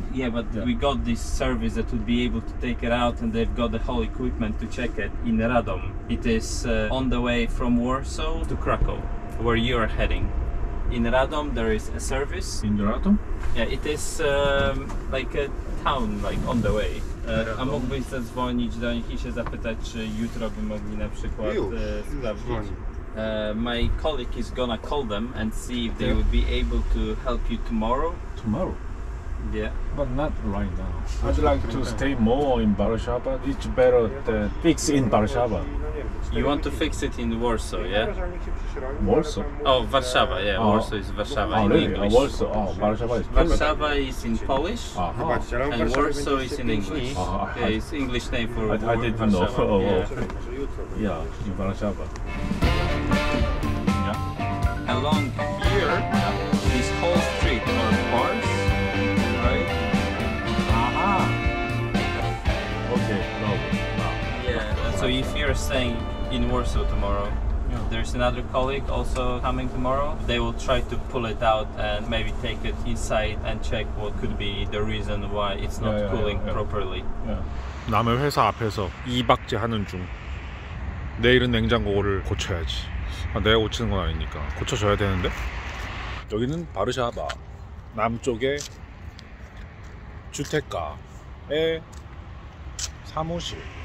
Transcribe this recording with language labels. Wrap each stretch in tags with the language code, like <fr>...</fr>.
<en>Yeah, but yeah. We got this service that would be able to take it out and they've got the whole equipment to check it in Radom. It is on the way from Warsaw to Krakow. where you are heading. In Radom, there is a service. In Radom? Yeah, it is like a town, like on the way.</en> <pl>A mógłbyś zadzwonić do nich i się zapytać, czy jutro by mogli na przykład sprawdzić.</pl> <en>My colleague is gonna call them and see if they would be able to help you tomorrow. Tomorrow? Yeah. But not right now. I'd like to stay more in Baryshaba. It's better to fix in Baryshaba. You want to fix it in Warsaw, yeah? Warsaw? Oh, Warszawa, yeah. Warsaw is Warszawa oh, in really? English. Warsaw, oh, Warszawa is Polish. Warszawa is in Polish, uh-huh. And Warsaw is in English. Uh-huh. Yeah, it's English name for Warsaw. I didn't know. Oh, yeah. Yeah, in Warszawa. Yeah. Along here, this whole street are bars, right? Aha! Okay, no. So if you're staying in Warsaw tomorrow, yeah. There's another colleague also coming tomorrow. They will try to pull it out and maybe take it inside and check what could be the reason why it's not cooling properly. Yeah.</en> <ko>남의 회사 앞에서 이박지 하는 중. 내일은 냉장고를 고쳐야지. 아, 내가 고치는 건 아니니까 고쳐줘야 되는데. 여기는 바르샤바 남쪽의 주택가의 사무실.</ko>